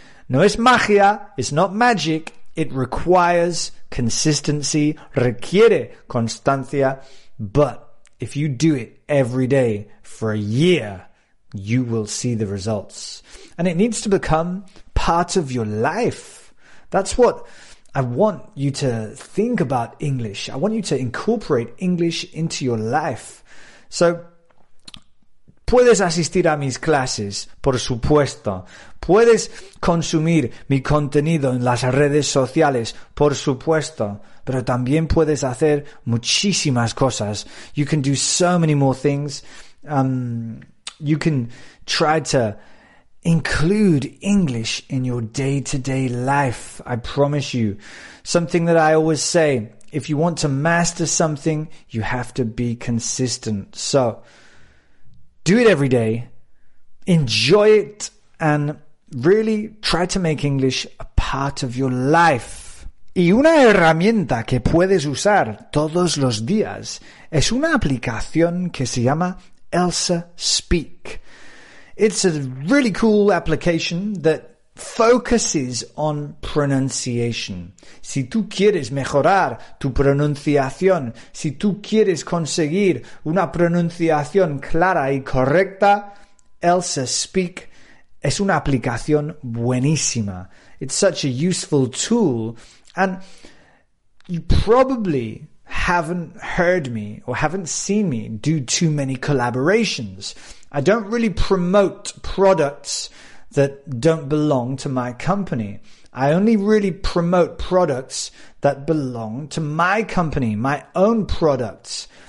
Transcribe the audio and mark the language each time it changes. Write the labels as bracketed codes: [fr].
[es] No es magia, [en] it's not magic. It requires consistency, [es] requiere constancia, [en] but if you do it every day for a year, you will see the results. And it needs to become part of your life. That's what I want you to think about English. I want you to incorporate English into your life. [es] So, puedes asistir a mis clases, por supuesto. Puedes consumir mi contenido en las redes sociales, por supuesto. Pero también puedes hacer muchísimas cosas. [en] You can do so many more things. You can try to include English in your day-to-day life. I promise you. Something that I always say, if you want to master something, you have to be consistent. So, do it every day. Enjoy it. And really try to make English a part of your life. [es] Y una herramienta que puedes usar todos los días es una aplicación que se llama Elsa Speak. [en] It's a really cool application that focuses on pronunciation. [es] Si tú quieres mejorar tu pronunciación, si tú quieres conseguir una pronunciación clara y correcta, Elsa Speak es una aplicación buenísima. [en] It's such a useful tool. And you probably haven't heard me or haven't seen me do too many collaborations. I don't really promote products that don't belong to my company. I only really promote products that belong to my company, my own products.